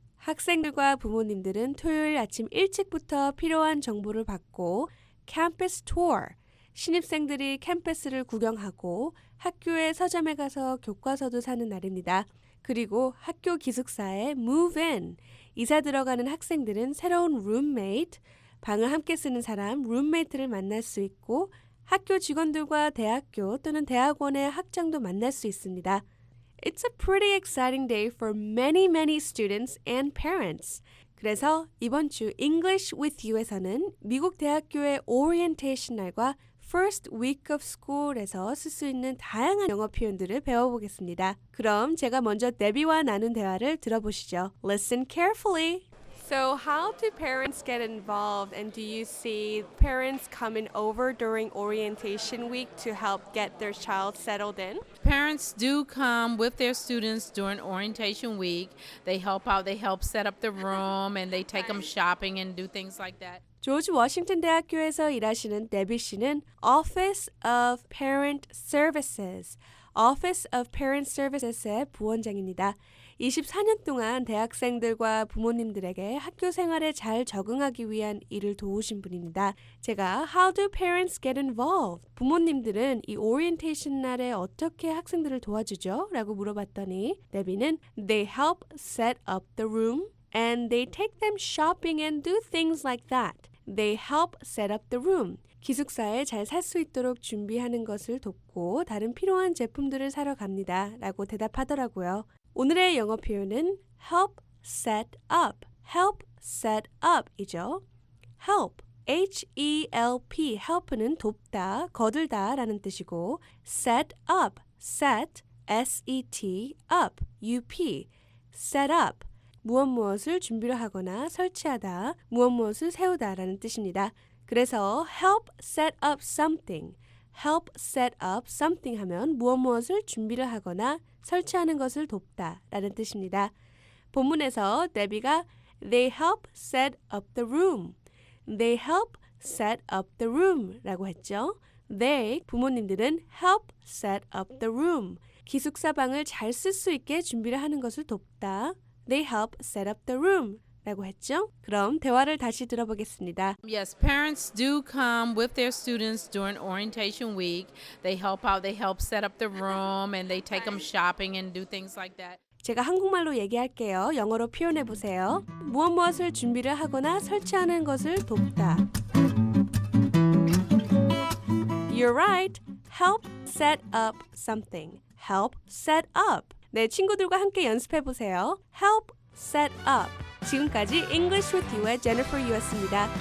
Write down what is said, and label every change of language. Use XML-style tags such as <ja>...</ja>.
<ko>학생들과 부모님들은 토요일 아침 일찍부터 필요한 정보를 받고 Campus Tour, 신입생들이 캠퍼스를 구경하고 학교의 서점에 가서 교과서도 사는 날입니다. 그리고 학교 기숙사에 Move In, 이사 들어가는 학생들은 새로운 roommate, 방을 함께 쓰는 사람, roommate를 만날 수 있고 학교 직원들과 대학교 또는 대학원의 학장도 만날 수 있습니다.</ko> <en>It's a pretty exciting day for many, many students and parents.</en> <ko>그래서 이번 주 English with You에서는 미국 대학교의 orientation 날과 First Week of School에서 쓸 수 있는 다양한 영어 표현들을 배워보겠습니다. 그럼 제가 먼저 데비와 나눈 대화를 들어보시죠.</ko> <en>Listen carefully. So how do parents get involved and do you see parents coming over during orientation week to help get their child settled in? Parents do come with their students during orientation week. They help out, they help set up the room and they take them shopping and do things like that.</en> <ko>조지 워싱턴 대학교에서 일하시는 데비 씨는 Office of Parent Services, Office of Parent Services의 부원장입니다. 24년 동안 대학생들과 부모님들에게 학교 생활에 잘 적응하기 위한 일을 도우신 분입니다. 제가</ko> <en>How do parents get involved?</en> <ko>부모님들은 이 오리엔테이션 날에 어떻게 학생들을 도와주죠? 라고 물어봤더니 데비는</ko> <en>They help set up the room and they take them shopping and do things like that. They help set up the room.</en> <ko>기숙사에 잘 살 수 있도록 준비하는 것을 돕고 다른 필요한 제품들을 사러 갑니다. 라고 대답하더라고요. 오늘의 영어 표현은 help set up.</ko> <en>Help set up이죠. Help, H-E-L-P.</en> <ko>Help는 돕다, 거들다 라는 뜻이고 set up, set, S-E-T, up, U-P.</ko> <en>Set up.</en> <ko>무엇 무엇을 준비를 하거나 설치하다, 무엇 무엇을 세우다라는 뜻입니다. 그래서 help set up something, help set up something 하면 무엇 무엇을 준비를 하거나 설치하는 것을 돕다라는 뜻입니다. 본문에서 데비가</ko> <en>they help set up the room, they help set up the room라고 했죠.</en> <ko>They 부모님들은</ko> <en>help set up the room,</en> <ko>기숙사 방을 잘 쓸 수 있게 준비를 하는 것을 돕다.</ko> <en>They help set up the room.</en> <ko>라고 했죠? 그럼 대화를 다시 들어보겠습니다.</ko> <en>Yes, parents do come with their students during orientation week. They help out, they help set up the room, and they take them shopping and do things like that.</en> <ko>제가 한국말로 얘기할게요. 영어로 표현해 보세요. 무엇 무엇을 준비를 하거나 설치하는 것을 돕다.</ko> <en>You're right. Help set up something. Help set up.</en> <ko>네, 친구들과 함께 연습해 보세요.</ko> <en>Help set up.</en> <ko>지금까지 English with You의 Jennifer Yu였습니다.</ko>